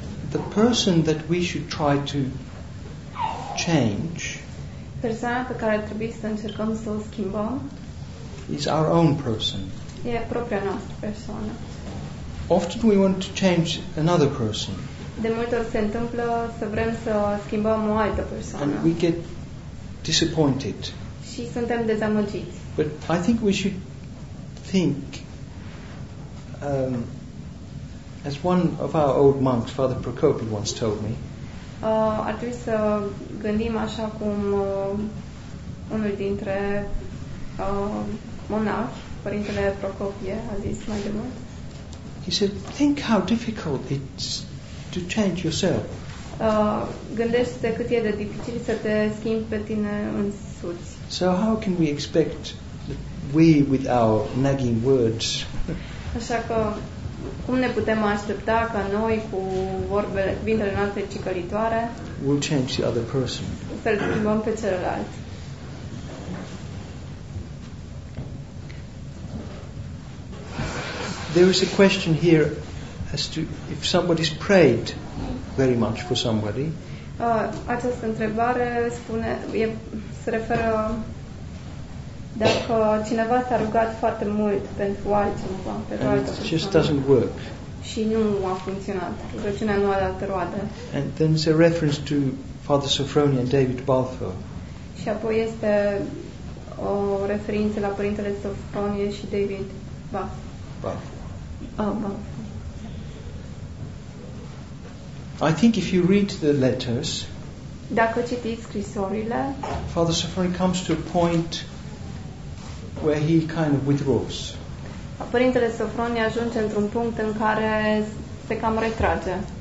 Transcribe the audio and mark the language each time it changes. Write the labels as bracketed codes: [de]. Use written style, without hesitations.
[en] The person that we should try to change, [ro] persoana pe care trebuie să încercăm să o schimbăm, [en] is our own person. [ro] E propria noastră persoană. [en] Often we want to change another person. [ro] De multe ori se întâmplă să vrem să schimbăm o altă persoană. [en] And we get disappointed. [ro] Și suntem dezamăgiți. [en] But I think we should think, as one of our old monks, Father Procopi, once told me, [ro] Ar trebui să gândim așa cum unul dintre monahi, părintele Procopie, a zis mai de mult. [en] He said, think how difficult it's to change yourself. [ro] Gândește-te cât e de dificil să te schimbi pe tine însuți. [en] So how can we expect that we with our nagging words? [ro] Așa că cum ne putem aștepta ca noi cu vorbele, cuvintele noastre cicălitoare, [en] we'll change the other person. [ro] Să-l schimbăm pe celălalt. [en] There is a question here as to if somebody's prayed very much for somebody. [ro] Această întrebare spune, se referă dacă cineva s-a rugat foarte mult pentru altcineva, pentru altă persoană. [en] It just doesn't work. [ro] Și nu a funcționat. Rugăciunea nu a dat roade. [en] And then there's a reference to Father Sophronie and David Balfour. [ro] Și apoi este o referință la părintele Sophronie și David Balfour. [en] I think if you read the letters, [ro] dacă citiți scrisorile, [en] Father Sophronie comes to a point where he kind of withdraws. [ro] Părintele Sophronie ajunge într-un punct în care se cam retrage.